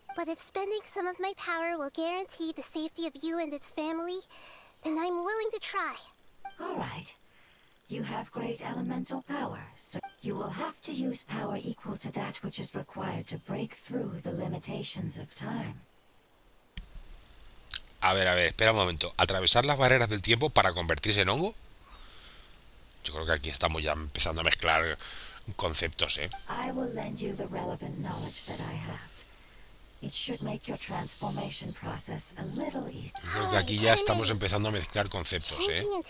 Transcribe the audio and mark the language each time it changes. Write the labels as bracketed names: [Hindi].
[English] But if spending some of my power will guarantee the safety of you and its family, then I'm willing to try. All right. You have great elemental power, so you will have to use power equal to that which is required to break through the limitations of time. [Spanish] A ver, espera un momento. ¿Atravesar las barreras del tiempo para convertirse en hongo? Yo creo que aquí estamos ya empezando a mezclar conceptos, ¿eh? [English] I will lend you the relevant knowledge that I have. It should make your transformation process a little easier. [Spanish] Creo que aquí ya estamos empezando a mezclar conceptos, ¿eh?